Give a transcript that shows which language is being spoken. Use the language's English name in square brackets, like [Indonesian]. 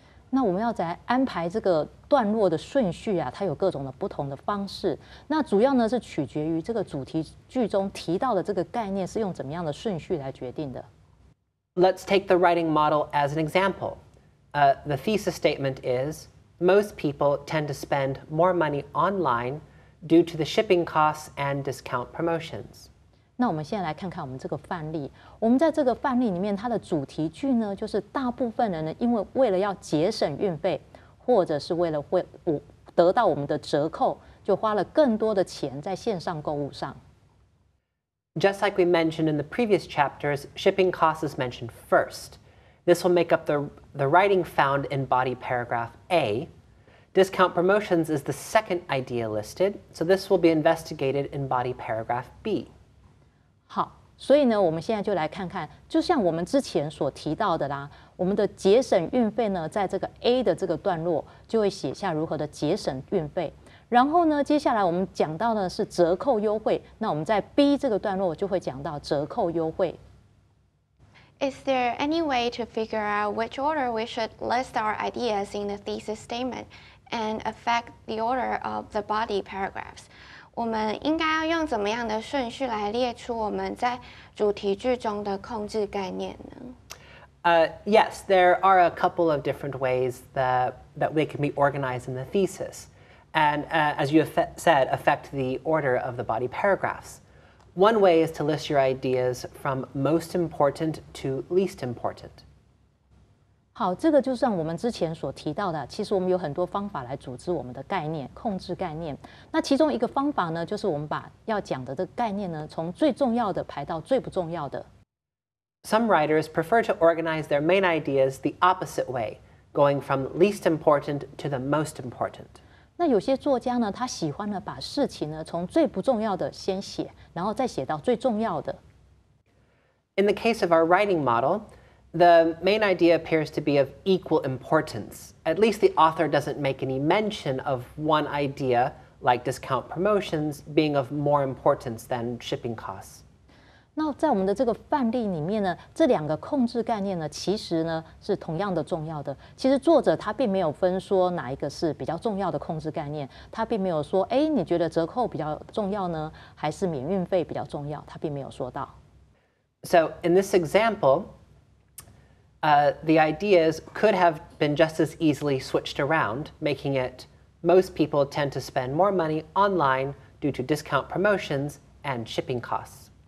[Chinese] 那我们要在安排这个段落的顺序啊，它有各种的不同的方式。那主要呢是取决于这个主题句中提到的这个概念是用怎么样的顺序来决定的。 [English] Let's take the writing model as an example. The thesis statement is, most people tend to spend more money online due to the shipping costs and discount promotions. [Chinese] 那我们现在来看看我们这个范例。我们在这个范例里面，它的主题句呢，就是大部分人呢，因为为了要节省运费，或者是为了会得到我们的折扣，就花了更多的钱在线上购物上。 [English] Just like we mentioned in the previous chapters, shipping costs is mentioned first. This will make up the writing found in body paragraph A. Discount promotions is the second idea listed, so this will be investigated in body paragraph B. [Chinese] 好，所以呢，我们现在就来看看，就像我们之前所提到的啦，我们的节省运费呢，在这个 A 的这个段落就会写下如何的节省运费。然后呢，接下来我们讲到的是折扣优惠，那我们在 B 这个段落就会讲到折扣优惠。 [English] Is there any way to figure out which order we should list our ideas in the thesis statement and affect the order of the body paragraphs? [Chinese] 我们应该要用怎么样的顺序来列出我们在主题句中的控制概念呢？ [English] Yes, there are a couple of different ways that we can be organized in the thesis, and as you said, affect the order of the body paragraphs. One way is to list your ideas from most important to least important. [Chinese] 好，这个就像我们之前所提到的，其实我们有很多方法来组织我们的概念，控制概念。那其中一个方法呢，就是我们把要讲的这个概念呢，从最重要的排到最不重要的。 [English] Some writers prefer to organize their main ideas the opposite way, going from least important to the most important. [Chinese] 那有些作家呢，他喜欢呢把事情呢从最不重要的先写，然后再写到最重要的。 [English] In the case of our writing model,The main idea appears to be of equal importance. At least the author doesn't make any mention of one idea like discount promotions, being of more importance than shipping costs. [Chinese] 那在我们的这个范例里面呢，这两个控制概念呢，其实呢是同样的重要的。其实作者他并没有分说哪一个是比较重要的控制概念，他并没有说，哎，你觉得折扣比较重要呢，还是免运费比较重要？他并没有说到。 [English] So in this example, the ideas could have been just as easily switched around, making it most people tend to spend more money online due to discount promotions and shipping costs.